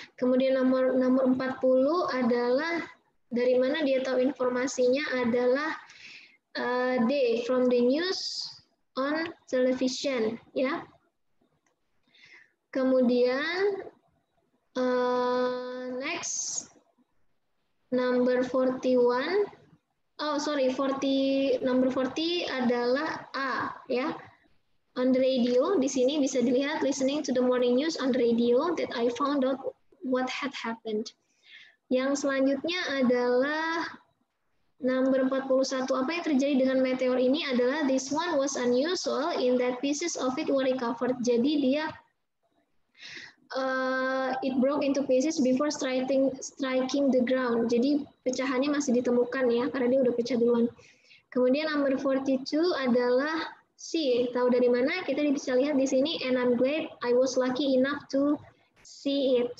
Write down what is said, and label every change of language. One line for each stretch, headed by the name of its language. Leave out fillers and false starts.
Indonesian: Kemudian nomor 40 adalah dari mana dia tahu informasinya adalah D, from the news on television, ya. Kemudian next number 41. Number 40 adalah A, ya.
English: on the radio. Di sini bisa dilihat listening to the morning news on the radio that I found out what had happened.
Indonesian: Yang selanjutnya adalah number 41.
English: Apa yang terjadi dengan meteor ini adalah this one was unusual in that pieces of it were recovered. Jadi dia it broke into pieces before striking the ground.
Indonesian: Jadi pecahannya masih ditemukan ya, karena dia udah pecah duluan. Kemudian number 42 adalah see. Tahu dari mana?
English: Kita bisa lihat di sini and I'm glad I was lucky enough to see it.